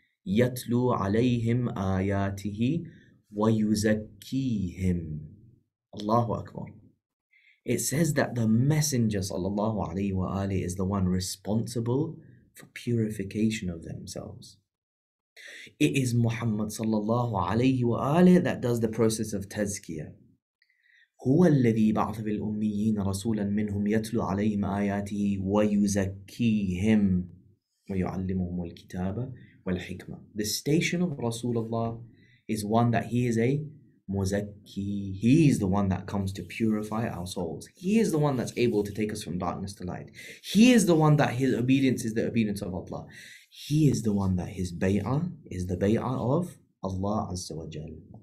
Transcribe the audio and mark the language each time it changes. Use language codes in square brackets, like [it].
[ar] يَتْلُوا عَلَيْهِمْ آيَاتِهِ وَيُزَكِّيهِمْ. Allahu Akbar. [en] It says that the Messenger sallallahu alayhi wa alayhi is the one responsible for purification of themselves. It is Muhammad sallallahu alayhi wa alayhi that does the process of tazkiyah. [ar] هُوَ الَّذِي بَعْثَ بِالْأُمِّيِّينَ رَسُولًا مِّنْهُمْ يَتْلُوا عَلَيْهِمْ آيَاتِهِ وَيُزَكِّيهِمْ وَيُعَلِّمُهُمُ الْكِتَابَ وَالْحِكْمَةِ. [en] The station of Rasulullah is one that he is a muzakki. He is the one that comes to purify our souls. He is the one that's able to take us from darkness to light. He is the one that his obedience is the obedience of Allah. He is the one that his bay'ah is the bay'ah of Allah Azza wa Jal.